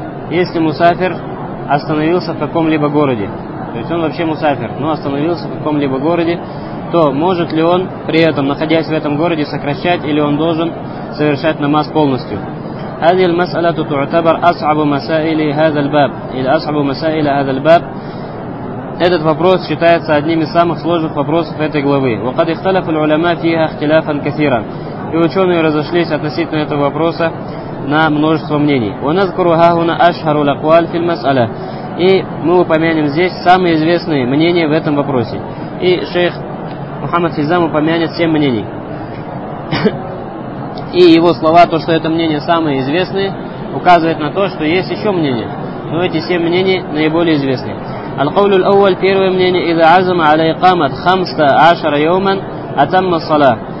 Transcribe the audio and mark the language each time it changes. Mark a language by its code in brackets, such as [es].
[ru] Если мусафир остановился в каком-либо городе, то есть он вообще мусафир, но остановился в каком-либо городе, то может ли он при этом, находясь в этом городе, сокращать или он должен совершать намаз полностью? [ar] هذه المسألة تعتبر أصعب مسائل هذا الباب إلى أصعب مسائل هذا الباب. [ru] Этот вопрос считается одним из самых сложных вопросов этой главы. [ar] وقد اختلف العلماء فيها اختلافا كثيرا. [ru] И ученые разошлись относительно этого вопроса на множество мнений. [ar] ونذكر هنا أشهر الأقوال في المسألة. [ru] И мы упомянем здесь самые известные мнения в этом вопросе. И шейх Мухаммад Хизам упомянет 7 мнений. И его слова, то, что это мнение самое известное, указывает на то, что есть еще мнения. Но эти 7 мнений наиболее известны. [ar] Аль-Кавлю Л-Ауаль, [ru] первое мнение, [ar] «Иза азама аля икамат хамста ашара йоуман атамма сала».